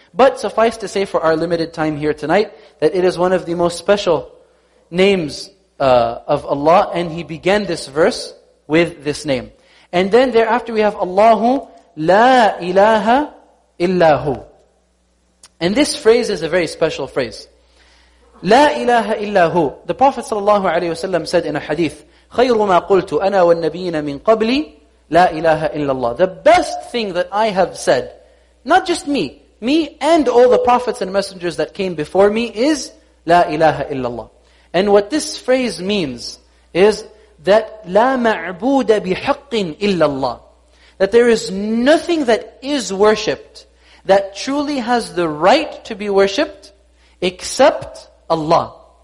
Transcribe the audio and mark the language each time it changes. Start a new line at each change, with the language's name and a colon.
English: But suffice to say for our limited time here tonight, that it is one of the most special names of Allah, and he began this verse with this name. And then thereafter we have
Arabic: Allahu la ilaha illahu.
English: And this phrase is a very special phrase.
Arabic: La ilaha illahu.
English: The Prophet sallallahu alayhi wasallam said in a hadith,
Arabic: خَيْرُ مَا قُلْتُ أَنَا وَالنَّبِيِّنَ مِنْ قَبْلِي لَا إِلَهَ إِلَّا اللَّهِ.
English: The best thing that I have said, not just me and all the prophets and messengers that came before me, is
Arabic: لَا إِلَهَ إِلَّا اللَّهِ.
English: And what this phrase means is that
Arabic: لَا مَعْبُودَ بِحَقٍّ إِلَّا اللَّهِ.
English: That there is nothing that is worshipped, that truly has the right to be worshipped, except Allah.